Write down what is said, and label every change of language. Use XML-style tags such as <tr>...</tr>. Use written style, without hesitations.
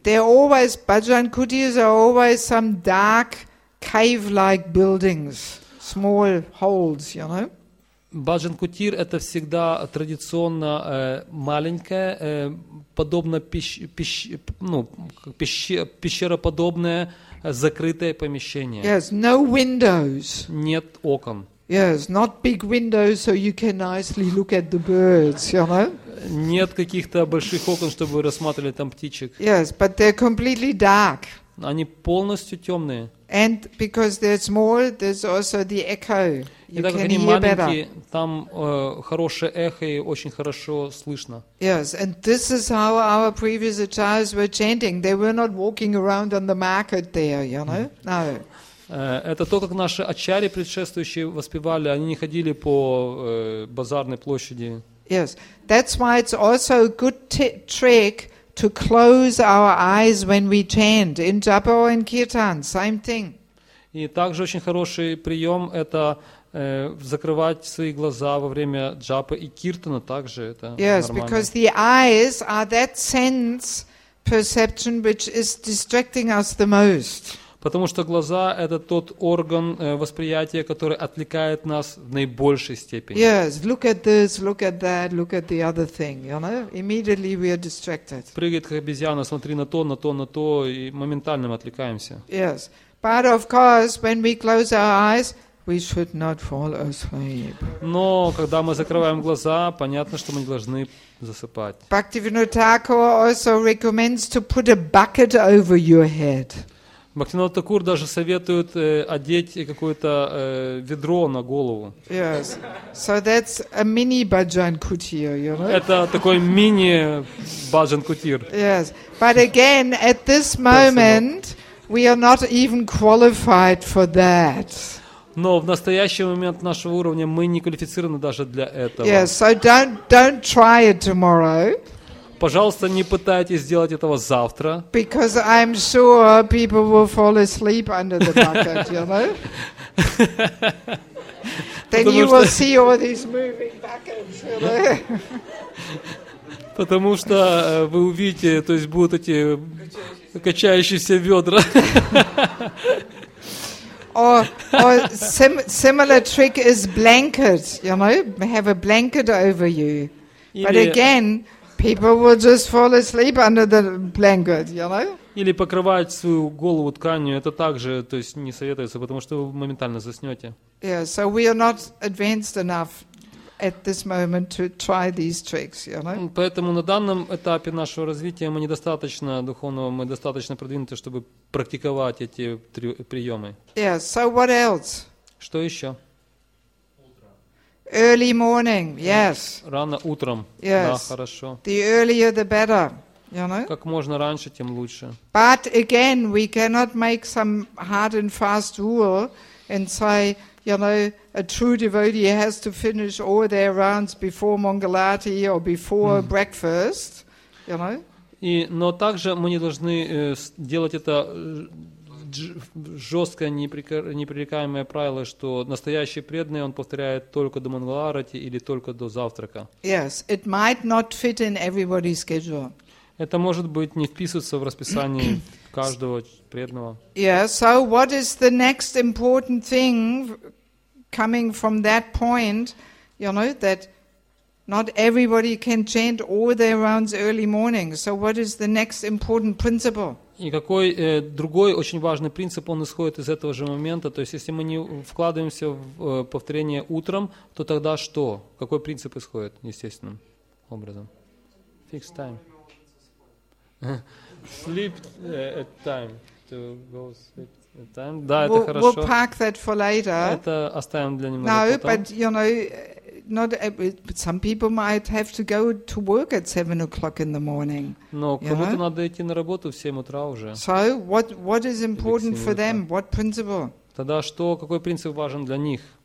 <en>They're always, баджан кутиры are always some dark cave-like buildings, small holes, you know?</en> <ru>Баджан кутир это всегда традиционно маленькое, подобно пещероподобное закрытое помещение.</ru> <en>Yes, no windows.</en> <ru>Нет окон.</ru> <en>Yes, not big windows, so you can nicely look at the birds, you know?</en> <ru>Нет каких-то больших окон, чтобы вы рассматривали там птичек.</ru> <en>Yes, but they're completely dark.</en> <ru>Они полностью темные.</ru> <en>And because they're small, there's also the echo.</en> <ru>И так как они маленькие, там хорошее эхо и очень хорошо слышно.</ru> <en>Yes, and this is how our previous acharyas were chanting. They were not walking around on the market there, you know? No.</en> <ru>Это то, как наши ачарьи предшествующие воспевали. Они не ходили по базарной площади.</ru> <en>Yes, that's why it's also a good trick to close our eyes when we chant in japa and kirtan. Same thing.</en> <ru>И также очень хороший прием это закрывать свои глаза во время джапы и киртана также это</ru> <en>yes,</en> <ru>нормально.</ru> <en>Because the eyes are that sense perception which is distracting us the most.</en> <ru>Потому что глаза это тот орган восприятия, который отвлекает нас в наибольшей степени.</ru> <en>Yes, look at this, look at that, look at the other thing, you know? Immediately we are distracted.</en> <ru>Прыгает как обезьяна, смотри на то, на то, на то и моментально мы отвлекаемся.</ru> <en>Yes, but of course when we close our eyes we should not fall asleep.</en> <ru>Но когда мы закрываем глаза, понятно, что мы не должны засыпать.</ru> <en>Bhaktivinoda Thakur also recommends to put a bucket over your head.</en> <ru>Bhaktivinoda Thakur даже советует одеть какое-то ведро на голову.</ru> <en>Yes. So that's a mini bhajan kutir, you know?</en> <ru>Это такой мини bhajan kutir.</ru> <en>Yes. But again, at this moment, we are not even qualified for that.</en> <ru>Но в настоящий момент нашего уровня мы не квалифицированы даже для этого.</ru> <en>Yes, so don't try it tomorrow.</en> <ru>Пожалуйста, не пытайтесь сделать этого завтра.</ru> <en>Because I'm sure people will fall asleep under the bucket, you know? Then you will see all these moving buckets, you know?</en> <ru>Потому что вы увидите, то есть будут эти качающиеся ведра.</ru> <en>Or similar trick is blanket, you know, have a blanket over you.</en> <ru>Или,</ru> <en>but again, people will just fall asleep under the blanket, you know.</en> <ru>Или покрывать свою голову тканью, это также, то есть, не советуется, потому что вы моментально заснете.</ru> <en>Yeah, so we are not advanced enough at this moment to try these tricks, you know.</en> <ru>Поэтому на данном этапе нашего развития мы недостаточно духовного, мы достаточно продвинуты, чтобы практиковать эти приемы.</ru> <en>Yes, so what else?</en> <ru>Что еще? Утро.</ru> <en>Early morning, yes.</en> <ru>Рано утром.</ru> <en>Yes.</en> <ru>Да, хорошо.</ru> <en>The earlier the better, you know.</en> <ru>Как можно раньше, тем лучше.</ru> <en>But again, we cannot make some hard and fast rule and say, you know, a true devotee has to finish all their rounds before Mangalati or before breakfast, you know.</en> <ru>И, но также мы не должны делать это жесткое непререкаемое правило, что настоящий преданный, он повторяет только до мангаларати или только до завтрака.</ru> <en>Yes, it might not fit in everybody's schedule.</en> <ru>Это может быть не вписывается в расписание каждого преданного.</ru> <en>Yes, so what is the next important thing coming from that point, you know, that not everybody can chant all their rounds early morning. So what is the next important principle?</en> <ru>И какой другой очень важный принцип, он исходит из этого же момента. То есть если мы не вкладываемся в повторение утром, то тогда что? Какой принцип исходит естественным образом?</ru> <en>Fixed time. Sleep at time. To go sleep at time.</en> <ru>Да,</ru> <en>we'll,</en> <ru>это хорошо.</ru> <en>We'll park that for later.</en> <ru>Это оставим для немного</ru> <en>no,</en> <ru>потом.</ru> <en>No, but you know, not some people might have to go to work at 7 o'clock in the morning.</en> <ru>Но кому-то надо идти на работу в 7 утра уже.</ru> <en>So what is important for them? What principle?</en> <ru>Тогда что, какой принцип важен для них?</ru>